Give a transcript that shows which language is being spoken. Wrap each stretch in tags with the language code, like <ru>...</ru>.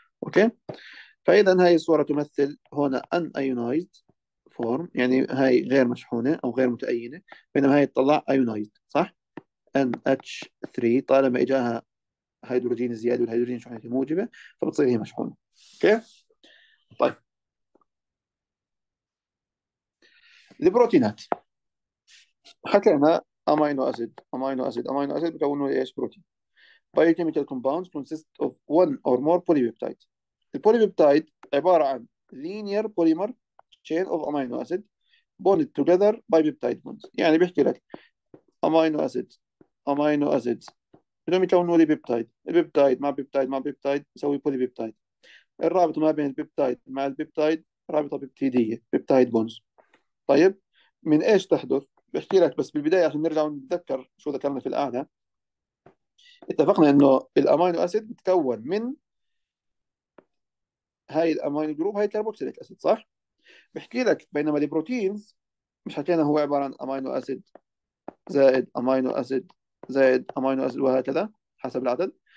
<ar>أوكي؟ فإذا هاي الصورة تمثل هنا ان ايونايزد فورم، يعني هاي غير مشحونة او غير متأينة، بينما هاي تطلع ايونايزد، صح؟ ان اتش 3 طالما اجاها هيدروجين زيادة والهيدروجين شحنته موجبة فبتصير هي مشحونة. اوكي؟ طيب البروتينات حكينا امينو اسيد، امينو اسيد، امينو اسيد بيكونوا ايش؟ بروتين.</ar> <en>Biochemical compounds consist of one or more polypeptide.</en> <ar>البوليبيبتايد عبارة عن</ar> <en>linear polymer chain of amino acid bonded together by peptide bonds.</en> <ar>يعني بيحكي لك</ar> <en>amino acids amino acids</en> <ar>بدهم يكونوا لي بيبتايد، البيبتايد مع بيبتايد مع بيبتايد يسوي بوليبيبتايد. الرابط ما بين البيبتايد مع البيبتايد رابطة بيبتيدية، بيبتايد بونز. طيب من ايش تحدث؟ بيحكي لك بس بالبداية عشان نرجع ونتذكر شو ذكرنا في الأعلى، اتفقنا انه الامينو اسيد بتكون من هاي الامينو جروب، هاي الكربوكسيليك اسيد، صح؟ بحكي لك بينما البروتينز مش حكينا هو عباره عن امينو اسيد زائد امينو اسيد زائد امينو اسيد وهكذا حسب العدد.</ar>